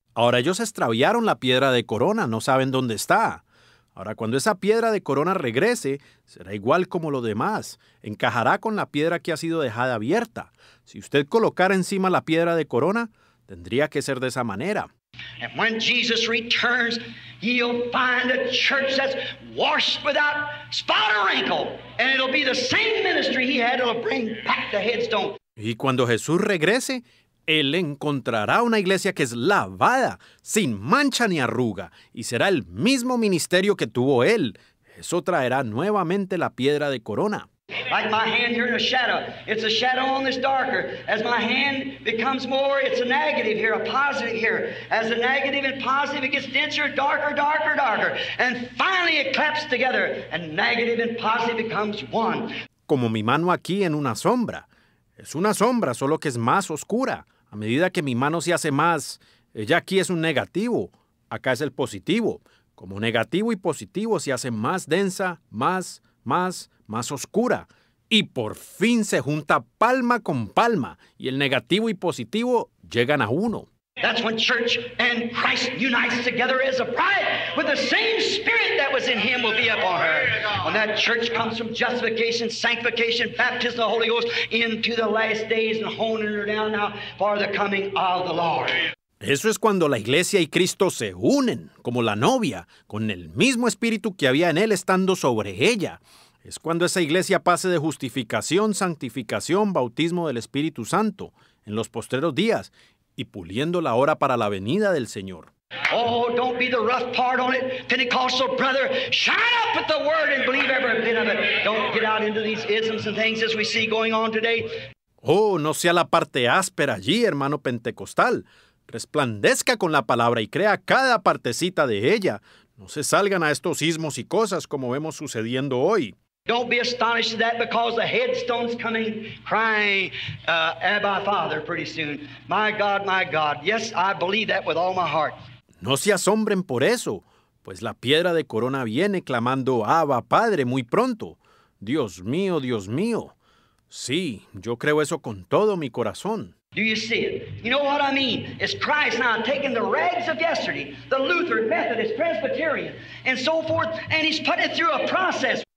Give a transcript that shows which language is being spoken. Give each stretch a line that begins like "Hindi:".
Spanish: Ahora ellos extraviaron la piedra de corona. No saben dónde está. Ahora, cuando esa piedra de corona regrese, será igual como lo demás. Encajará con la piedra que ha sido dejada abierta. Si usted colocara encima la piedra de corona, tendría que ser de esa manera.
English: And when Jesus returns, he'll find a church that's washed without spot or wrinkle. And it'll be the same ministry he had. It'll bring back the headstone.
Spanish: Y cuando Jesús regrese, Él encontrará una iglesia que es lavada, sin mancha ni arruga, y será el mismo ministerio que tuvo Él. Eso traerá nuevamente la piedra de corona.
English: Like my hand here in a shadow. It's a shadow on this darker. As my hand becomes more, it's a negative here, a positive here. As a negative and positive, it gets denser, darker, darker, darker. And finally it claps together, and negative and positive becomes one.
Spanish: Como mi mano aquí en una sombra. Es una sombra, solo que es más oscura. A medida que mi mano se hace más, ella aquí es un negativo. Acá es el positivo. Como negativo y positivo se hace más densa, más, más, más oscura. Y por fin se junta palma con palma. Y el negativo y positivo llegan a uno.
English: That's when church and Christ unites together as a bride with the same spirit that was in him will be upon her. When that church comes from justification, sanctification, baptism of the Holy Ghost into the last days and honing her down now for the coming of the Lord.
Spanish: Eso es cuando la iglesia y Cristo se unen como la novia con el mismo espíritu que había en él estando sobre ella. Es cuando esa iglesia pase de justificación, santificación, bautismo del Espíritu Santo en los postreros días y puliendo la hora para la venida del Señor.
English: Oh, don't be the rough part on it, Pentecostal brother. Shine up with the word and believe every bit of it. Don't get out into these isms and things as we see going on today.
Spanish: Oh, no sea la parte áspera allí, hermano pentecostal. Resplandezca con la palabra y crea cada partecita de ella. No se salgan a estos sismos y cosas como vemos sucediendo hoy.
English: Don't be astonished at that because the headstone's coming crying, Abba Father, pretty soon. My God, my God. Yes, I believe that with all my heart.
Spanish: No se asombren por eso, pues la piedra de corona viene clamando Abba Padre muy pronto. Dios mío, Dios mío. Sí, yo creo eso con todo mi corazón.
English: Do you see it? You know what I mean? It's Christ now taking the rags of yesterday, the Lutheran, Methodist, Presbyterian, and so forth, and he's putting it through a process.